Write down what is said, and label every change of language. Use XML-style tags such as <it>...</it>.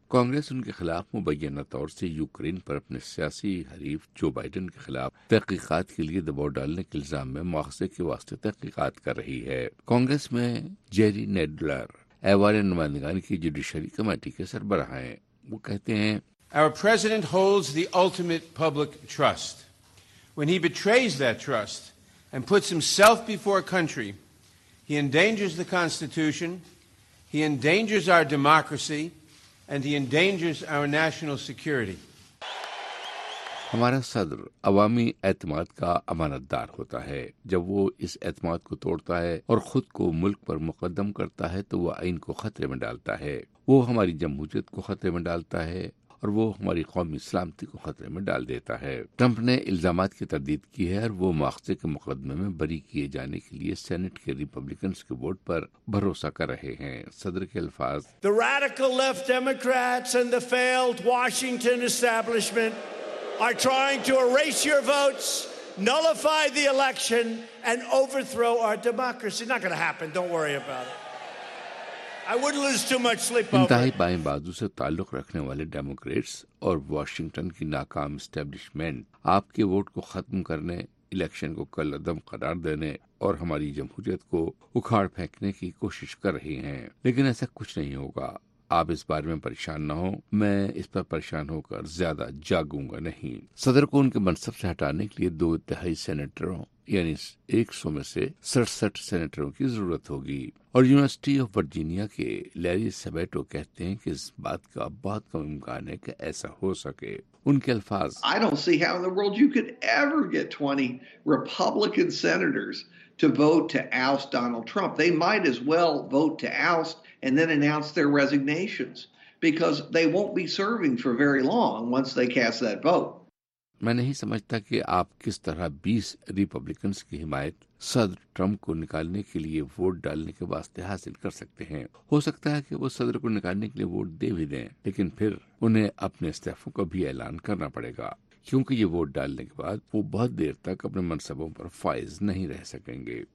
<ur>کانگریس ان کے خلاف مبینہ طور سے یوکرین پر اپنے سیاسی حریف جو بائیڈن کے خلاف تحقیقات کے لیے دباؤ ڈالنے کے الزام میں مواخذے کے واسطے تحقیقات کر رہی ہے. کانگریس میں جیری نیڈلر ایوان نمائندگان کی جوڈیشری کمیٹی کے سربراہ ہیں. وہ کہتے ہیں,</ur> <en>Our president holds the ultimate public trust. When he betrays that trust and puts himself before a country, he endangers the Constitution, he endangers our democracy, and he endangers our national security.</en> <ur>ہمارا صدر عوامی اعتماد کا امانت دار ہوتا ہے. جب وہ اس اعتماد کو توڑتا ہے اور خود کو ملک پر مقدم کرتا ہے تو وہ آئین کو خطرے میں ڈالتا ہے, وہ ہماری جمہوریت کو خطرے میں ڈالتا ہے اور وہ ہماری قومی سلامتی کو خطرے میں ڈال دیتا ہے. ٹرمپ نے الزامات کی تردید کی ہے اور وہ مواخذے کے مقدمے میں بری کیے جانے کے لیے سینٹ کے ریپبلکنز کے ووٹ پر بھروسہ کر رہے ہیں. صدر کے الفاظ,</ur> <en>The radical left Democrats and the failed Washington establishment are trying to erase your votes, nullify the election and overthrow our democracy. It's not going to happen. Don't worry about it. I wouldn't lose too much sleep over.</en> <ur>انتہائی بائیں بازو سے تعلق رکھنے والے democrats اور Washington کی ناکام اسٹیبلشمنٹ آپ کے ووٹ کو ختم کرنے, الیکشن کو کل عدم قرار دینے اور ہماری جمہوریت کو اکھاڑ پھینکنے کی کوشش کر رہی ہیں, لیکن ایسا کچھ نہیں ہوگا. آپ اس بارے میں پریشان نہ ہوں, میں اس پر پریشان ہو کر زیادہ جاگوں گا نہیں. صدر کو ان کے منصب سے ہٹانے کے لیے 2/3 سینیٹروں یعنی 100 میں سے 67 سینیٹروں کی ضرورت ہوگی. اور یونیورسٹی آف ورجینیا کے لیری سبیٹو کہتے ہیں کہ اس بات کا بہت کم امکان ہے کہ ایسا ہو سکے. ان کے الفاظ,</ur> <en>I don't see how in the world you could ever get 20 Republican senators to vote to oust Donald Trump. They might as well vote to oust and then announce their resignations because they won't be serving for very long once they cast that vote.</en> <ur>میں نہیں سمجھتا کہ آپ کس طرح 20 Republicans کی حمایت صدر ٹرمپ کو نکالنے کے لیے ووٹ ڈالنے کے واسطے حاصل کر سکتے ہیں. ہو سکتا ہے کہ وہ صدر کو نکالنے کے لیے ووٹ دے بھی دیں, لیکن پھر انہیں اپنے استعفوں کا بھی اعلان کرنا پڑے گا, کیونکہ یہ ووٹ ڈالنے کے بعد وہ بہت دیر تک اپنے منصبوں پر فائز نہیں رہ سکیں گے.</ur>